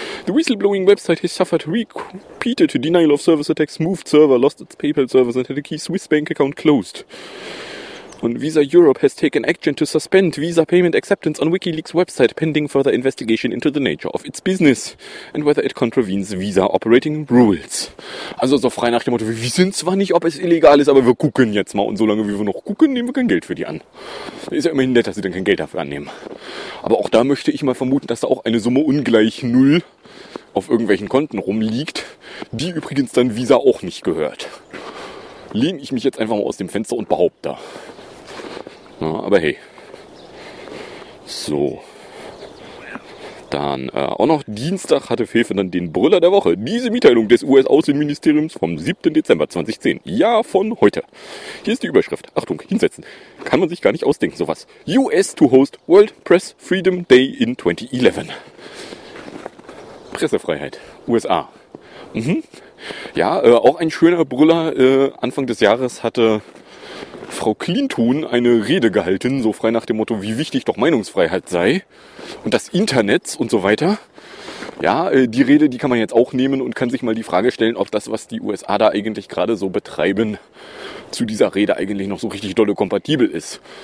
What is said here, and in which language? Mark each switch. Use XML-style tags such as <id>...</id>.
<en>The whistleblowing website has suffered repeated denial of service attacks, moved server, lost its PayPal service and had a key Swiss bank account closed.</en> <de>Und</de> <en>Visa Europe has taken action to suspend Visa payment acceptance on WikiLeaks website pending further investigation into the nature of its business and whether it contravenes Visa operating rules.</en> <de>Also so frei nach dem Motto, wir wissen zwar nicht, ob es illegal ist, aber wir gucken jetzt mal. Und solange wir noch gucken, nehmen wir kein Geld für die an. Ist ja immerhin nett, dass sie dann kein Geld dafür annehmen. Aber auch da möchte ich mal vermuten, dass da auch eine Summe ungleich null auf irgendwelchen Konten rumliegt, die übrigens dann Visa auch nicht gehört. Lehne ich mich jetzt einfach mal aus dem Fenster und behaupte. Na, aber hey. So. Dann auch noch Dienstag hatte Fefe dann den Brüller der Woche. Diese Mitteilung des US-Außenministeriums vom 7. Dezember 2010. Ja, von heute. Hier ist die Überschrift. Achtung, hinsetzen. Kann man sich gar nicht ausdenken, sowas.</de> <en>US to host World Press Freedom Day in 2011.</en> <de>Pressefreiheit. USA. Mhm. Ja, auch ein schöner Brüller. Anfang des Jahres hatte Frau Clinton eine Rede gehalten, so frei nach dem Motto, wie wichtig doch Meinungsfreiheit sei und das Internet und so weiter. Ja, die Rede, die kann man jetzt auch nehmen und kann sich mal die Frage stellen, ob das, was die USA da eigentlich gerade so betreiben, zu dieser Rede eigentlich noch so richtig dolle kompatibel ist.</de>